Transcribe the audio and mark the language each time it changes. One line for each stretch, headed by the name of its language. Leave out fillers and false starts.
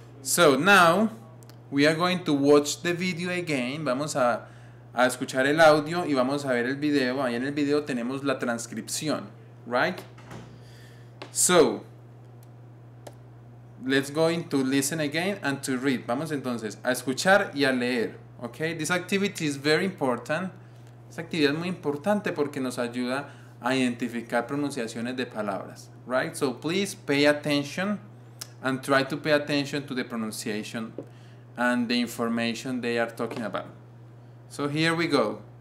English: So now we are going to watch the video again.
Spanish: Vamos a escuchar el audio y vamos a ver el video. Ahí en el video tenemos la transcripción.
English: Right? So Let's go into listen again and to read.
Spanish: Vamos entonces a escuchar y a leer. Okay?
English: This activity is very important.
Spanish: Esta actividad es muy importante porque nos ayuda a identificar pronunciaciones de palabras.
English: Right? So please pay attention and try to pay attention to the pronunciation and the information they are talking about. So here we go.